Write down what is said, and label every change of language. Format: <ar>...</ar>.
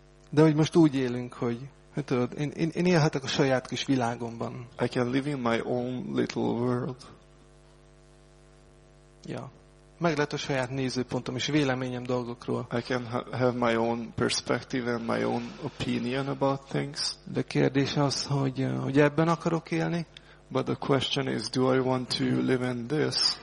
<hu>De hogy most úgy élünk, hogy tudod, én élhetek a saját kis világomban.</hu> <en>I can live in my own little world. Ja.</en> <hu>Meg lehet a saját nézőpontom és véleményem dolgokról.</hu> <en>I can have my own perspective and my own opinion about things.</en> <hu>De kérdés az, hogy ebben akarok élni?</hu> <en>But the question is, do I want to live in this?</en>